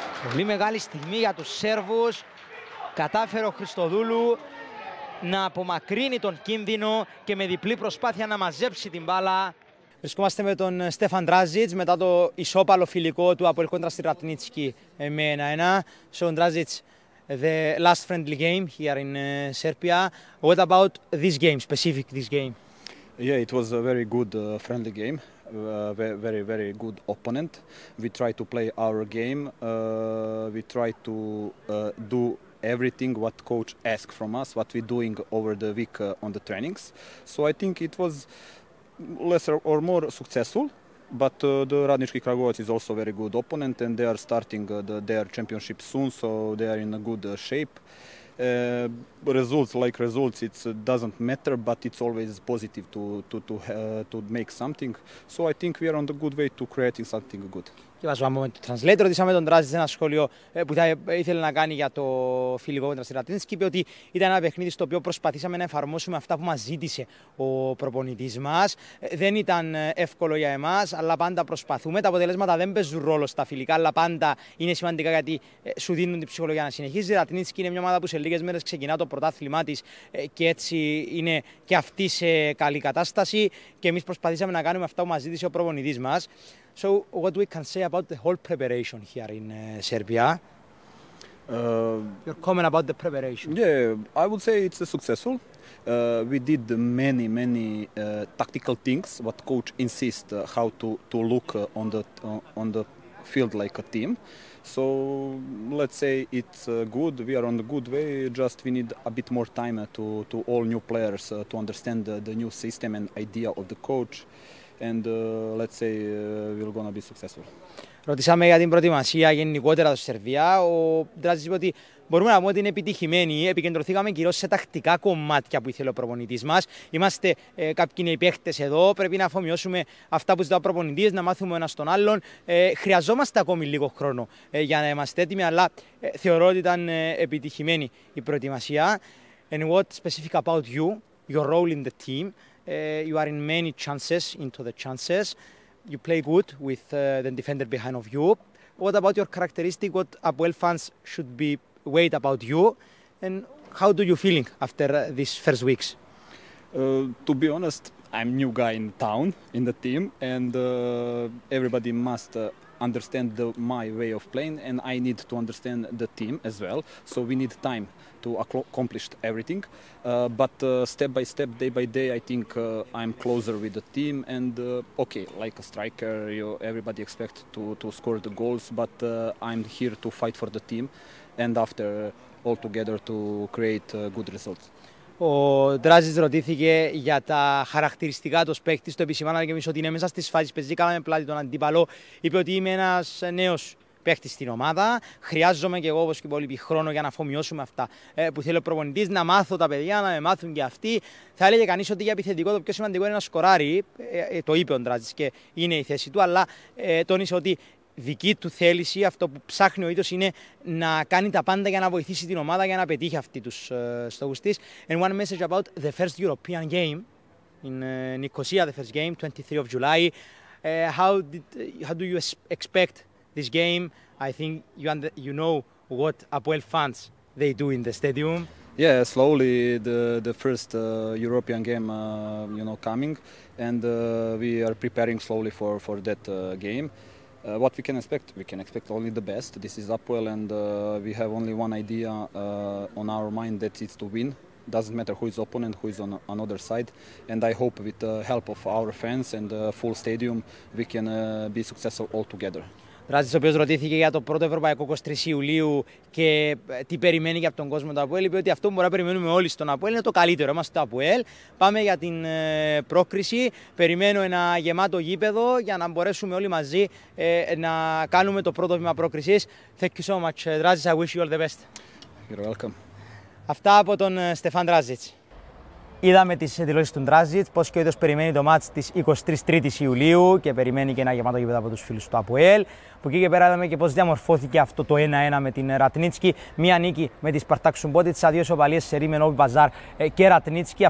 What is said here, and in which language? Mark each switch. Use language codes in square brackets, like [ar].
[el] Πολύ μεγάλη στιγμή για τους Σέρβους. Κατάφερε ο Χριστοδούλου να απομακρύνει τον κίνδυνο και με διπλή προσπάθεια να μαζέψει την μπάλα. Βρισκόμαστε με τον Στέφαν Ντράζιτς μετά το ισόπαλο φιλικό του από κόντρα στη Ρατνίτσκι με 1-1. [en] So Ντράζιτς, the last friendly game here in Serbia. What about this game, specific this game? Yeah, it was a very good friendly game. Very, very good opponent. We try to play our game. We try to do everything what coach asked from us, what we doing over the week on the trainings. So I think it was lesser or more successful, but the Radnički Kragujevac is also very good opponent and they are starting their championship soon, so they are in a good shape. Results like results, it doesn't matter, but it's always positive to make something. So I think we are on the good way to creating something good. [el] Και βάζουμε με τον translator, ρωτήσαμε τον Ντράζιτς ένα σχόλιο που θα ήθελε να κάνει για το φιλικό κόντρα στη Ρατνίτσκι. Είπε ότι ήταν ένα παιχνίδι στο οποίο προσπαθήσαμε να εφαρμόσουμε αυτά που μας ζήτησε ο προπονητής μας. Δεν ήταν εύκολο για εμάς, αλλά πάντα προσπαθούμε. Τα αποτελέσματα δεν παίζουν ρόλο στα φιλικά, αλλά πάντα είναι σημαντικά γιατί σου δίνουν την ψυχολογία να συνεχίζει. Η Ρατνίτσκι είναι μια ομάδα που σε λίγες μέρες ξεκινά το πρωτάθλημά της και έτσι είναι και αυτή σε καλή κατάσταση. Και εμείς προσπαθήσαμε να κάνουμε αυτά που μας ζήτησε ο προπονητής μας. [en] So what we can say about the whole preparation here in Serbia? Your comment about the preparation. Yeah, I would say it's successful. We did many tactical things, what coach insists how to look on the field like a team. So let's say it's good. We are on the good way. Just we need a bit more time to all new players to understand the new system and idea of the coach. And let's say we're gonna be successful. [el] Ρωτήσαμε για την προετοιμασία γενικότερα στη Σερβία. Ο Δράζης είπε ότι μπορούμε να πούμε ότι είναι επιτυχημένη. Επικεντρωθήκαμε κυρίως σε τακτικά κομμάτια που ήθελε ο προπονητής μας. Είμαστε κάποιοι νέοι παίχτες εδώ. Πρέπει να αφομοιώσουμε αυτά που ζητά ο προπονητής, να μάθουμε ένας τον άλλον. Χρειαζόμαστε ακόμη λίγο χρόνο για να είμαστε έτοιμοι, αλλά θεωρώ ότι ήταν επιτυχημένη η προετοιμασία. [en] And what specific about you, your role in the team? You are in many chances, into the chances. You play good with the defender behind of you. What about your characteristic? What Apoel fans should be wait about you? And how do you feeling after these first weeks? To be honest, I'm new guy in town, in the team, and everybody must understand my way of playing, and I need to understand the team as well. So we need time to accomplish everything. But step by step, day by day, I think I'm closer with the team. And okay, like a striker, everybody expects to score the goals, but I'm here to fight for the team and after all together to create good results. [el] Ο Δράζης ρωτήθηκε για τα χαρακτηριστικά του παίκτη. Το επισημάναμε και εμείς ότι είναι μέσα στις φάσεις. Παίζαμε πλάτη τον αντίπαλο. Είπε ότι είμαι ένας νέος παίκτης στην ομάδα. Χρειάζομαι και εγώ όπως και οι υπόλοιποι χρόνο για να αφομοιώσουμε αυτά που θέλει ο προπονητής. Να μάθω τα παιδιά, να με μάθουν και αυτοί. Θα έλεγε κανείς ότι για επιθετικό το πιο σημαντικό είναι να σκοράρει. Το είπε ο Δράζης και είναι η θέση του. Αλλά τόνισε ότι δική του θέληση, αυτό που ψάχνει ο ίδιος είναι να κάνει τα πάντα για να βοηθήσει την ομάδα για να πετύχει αυτή τους στόχους της. [en] And one message about the first European game in Nicosia, the first game, 23 of July. How do you expect this game? I think you know what Apoel fans they do in the stadium. Yeah, slowly the first European game coming, and we are preparing slowly for that game. What we can expect? We can expect only the best. This is Apoel, and we have only one idea on our mind, that it's to win. Doesn't matter who is opponent, who is on another side. And I hope with the help of our fans and the full stadium, we can be successful all together. [el] Δράζης, ο οποίος ρωτήθηκε για το πρώτο ευρωπαϊκό 23 Ιουλίου και τι περιμένει για τον κόσμο του Απόελ, είπε ότι αυτό που μπορεί να περιμένουμε όλοι στον Απόελ είναι το καλύτερο. Είμαστε το Απόελ. Πάμε για την πρόκριση. Περιμένω ένα γεμάτο γήπεδο για να μπορέσουμε όλοι μαζί να κάνουμε το πρώτο βήμα πρόκρισης. [en] Thank you so much, Δράζης. I wish you all the best. You're welcome. [el] Αυτά από τον Στεφάν Δράζης. Είδαμε τις δηλώσεις του Δράζης, πώς και ο ίδιος περιμένει το μάτς της 23ης Ιουλίου και περιμένει και ένα γεμάτο γήπεδο από τους φίλους του Αποέλ. Από εκεί και πέρα είδαμε και πώς διαμορφώθηκε αυτό το 1-1 με την Ρατνίτσκι. Μία νίκη με τη Σπαρτάκ Σουμπότιτς, δύο ισοπαλίες σε Ρήμεν, Όβι Μπαζάρ και Ρατνίτσκι.